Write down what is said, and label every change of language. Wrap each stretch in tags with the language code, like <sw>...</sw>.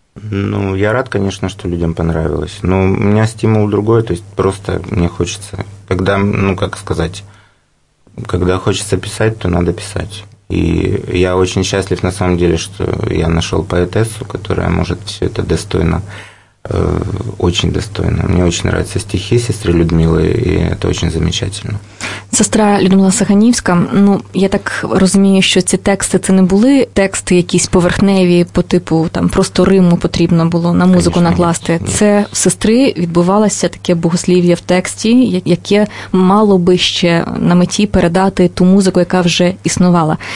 <uk>Ну, я рад, звісно, що людям</uk> <ru>понравилось.</ru> <uk>Ну, у мене стимул</uk> <ru>другой, то есть</ru> <uk>просто мені хочеться, когда, ну, як сказати, когда хочеться писати, то надо писати. І я дуже щаслив</uk> <ru>на самом деле,</ru> <uk>що я знайшов поетесу,</uk> <ru>которая</ru> <uk>може все це достойно.</uk> <ru>Очень достойно. Мне очень нравятся стихи сестры Людмилы, и это очень замечательно.</ru> <uk>Сестра Людмила Саганівська, ну, я так розумію, що ці тексти, це не були тексти якісь поверхневі по типу, там, просто риму потрібно було на музику</uk> <ru>конечно,</ru> <uk>накласти.</uk> <ru>Нет.</ru> <uk>Це в сестри відбувалося таке богослів'я в тексті, яке мало би ще на меті передати ту музику, яка вже існувала.</uk>